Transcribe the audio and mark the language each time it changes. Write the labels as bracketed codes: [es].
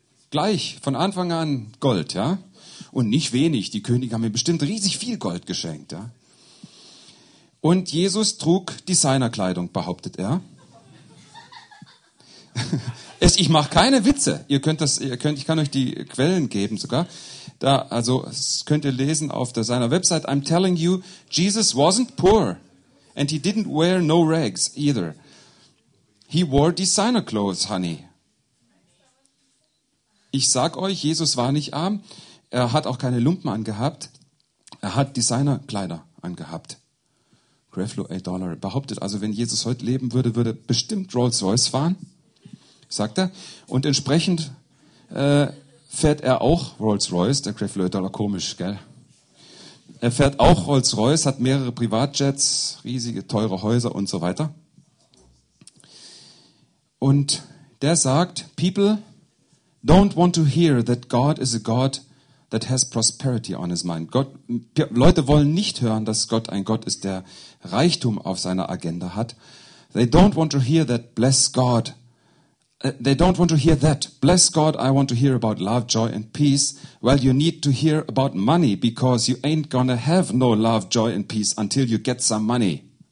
[de] Gleich, von Anfang an Gold, ja. Und nicht wenig, die Könige haben ihm bestimmt riesig viel Gold geschenkt, ja. Und Jesus trug Designerkleidung, behauptet er. Ich mache keine Witze. Ich kann euch die Quellen geben sogar. Da, also, das könnt ihr lesen auf seiner Website. [en] I'm telling you, Jesus wasn't poor. And he didn't wear no rags either. He wore designer clothes, honey. [de] Ich sag euch, Jesus war nicht arm. Er hat auch keine Lumpen angehabt. Er hat Designerkleider angehabt. Creflo A. Dollar behauptet, also wenn Jesus heute leben würde, würde bestimmt Rolls Royce fahren. Sagt er. Und entsprechend fährt er auch Rolls-Royce, der Creflo A. Dollar, komisch, gell? Er fährt auch Rolls-Royce, hat mehrere Privatjets, riesige, teure Häuser und so weiter. Und der sagt, [en] people don't want to hear that God is a God that has prosperity on his mind. [de] Leute wollen nicht hören, dass Gott ein Gott ist, der Reichtum auf seiner Agenda hat. [en] They don't want to hear that bless God. They don't want to hear that. Bless God, I want to hear about love, joy and peace. Well, you need to hear about money because you ain't gonna have no love, joy and peace until you get some money.